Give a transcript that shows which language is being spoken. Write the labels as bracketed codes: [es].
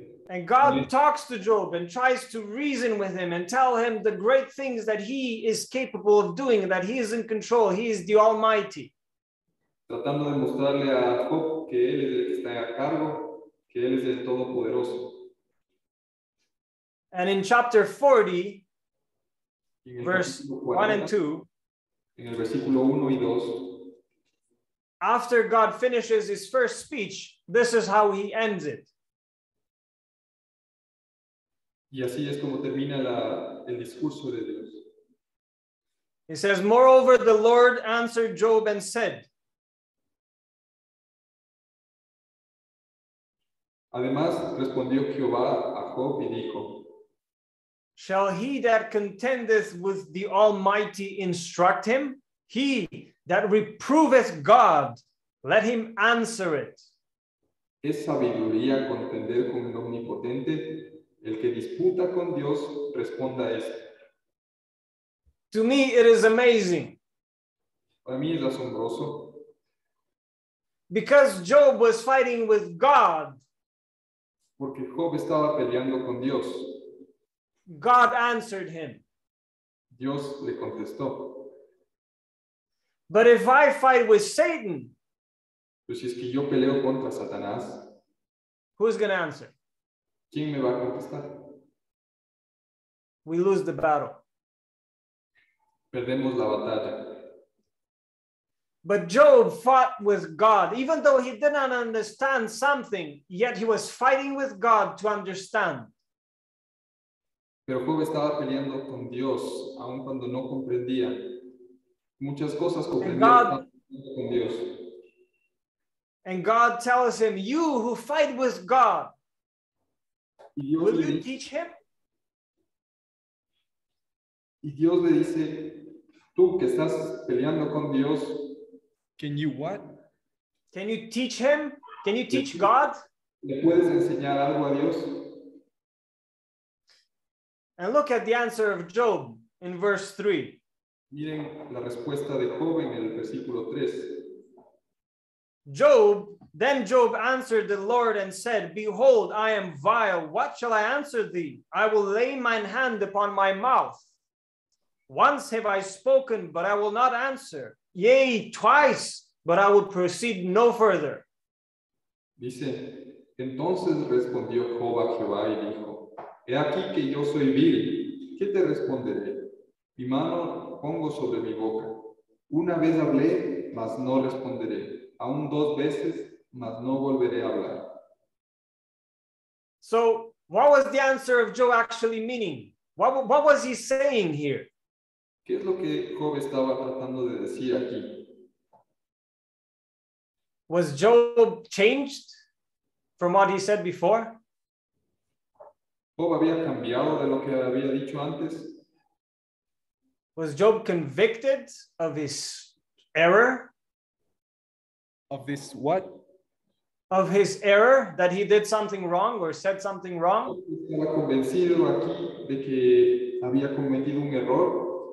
[en] And God talks to Job and tries to reason with him and tell him the great things that he is capable of doing, that he is in control, he is the Almighty. [es] Tratando de mostrarle a Job que él es el que está a cargo, que él es el Todopoderoso. [en] And in chapter 40, verse 1 and 2, [es] en el versículo 1 y 2, [en] after God finishes his first speech, this is how he ends it. [es] Y así es como termina el discurso de Dios. [en] It says, moreover, the Lord answered Job and said. [es] Además, respondió Jehová a Job y dijo. [en] Shall he that contendeth with the Almighty instruct him? He that reproveth God, let him answer it. [es] ¿Es sabiduría contender con el Omnipotente? El que disputa con Dios responda esto. [en] To me, it is amazing. [es] Para mí es asombroso. [en] Because Job was fighting with God. [es] Porque Job estaba peleando con Dios. [en] God answered him. [es] Dios le contestó. [en] But if I fight with Satan. [es] Pues si es que yo peleo contra Satanás. [en] Who's going to answer? [es] ¿Quién me va a contestar? [en] We lose the battle. [es] perdemos la batalla. [en] But Job fought with God, even though he did not understand something, yet he was fighting with God to understand. [es] Pero Job estaba peleando con Dios, aun cuando no comprendía. Muchas cosas comprendía con Dios. [en] And God tells him, you who fight with God, will you teach him? [es] Y Dios le dice, tú que estás peleando con Dios, [en] can you what? Can you teach him? Can you teach God? [es] ¿Le puedes enseñar algo a Dios? [en] And look at the answer of Job in verse 3. [es] Miren la respuesta de Job en el versículo 3. [en] Job answered the Lord and said, behold, I am vile. What shall I answer thee? I will lay mine hand upon my mouth. Once have I spoken, but I will not answer. Yea, twice, but I will proceed no further. [es] Dice, entonces respondió Job a Jehová y dijo, he aquí que yo soy vil, ¿qué te responderé? Mi mano pongo sobre mi boca. Una vez hablé, mas no responderé. Aún dos veces, mas no volveré a hablar. [en] So, what was the answer of Job actually meaning? What was he saying here? [es] ¿Qué es lo que Job estaba tratando de decir aquí? [en] Was Job changed from what he said before? [es] ¿Job había cambiado de lo que había dicho antes? [en] Was Job convicted of his error? Of this what? Of his error, that he did something wrong or said something wrong? [es] ¿Estaba convencido aquí de que había cometido un error?